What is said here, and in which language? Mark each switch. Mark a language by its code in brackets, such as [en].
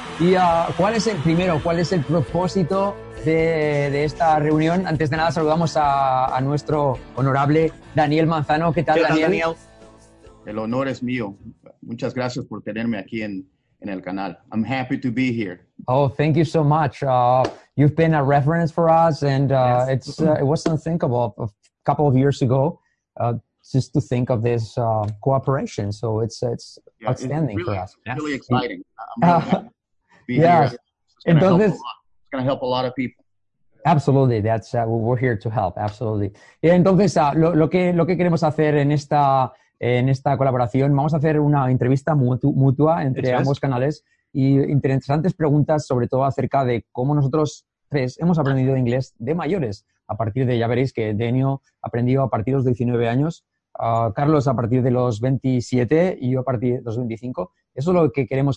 [es] Y ¿cuál es el propósito de esta reunión? Antes de nada, saludamos a nuestro honorable Daniel Manzano. ¿Qué tal, Daniel? El honor es mío. Muchas gracias por tenerme aquí en el canal. [en] I'm happy to be here. Oh, thank you so much. You've been a reference for us, and yes. it was unthinkable a couple of years ago just to think of this cooperation. So it's outstanding. It's really, for us. It's really exciting. It's going to help a lot of people. Absolutely, that's we're here to help. Absolutely. [es] Entonces, lo que queremos hacer en esta colaboración, vamos a hacer una entrevista mutua entre ambos canales y interesantes preguntas, sobre todo acerca de cómo nosotros tres hemos aprendido inglés de mayores. A partir de, ya veréis que Daniel aprendió a partir de los 19 años, Carlos a partir de los 27 y yo a partir de los 25. Eso es lo que queremos.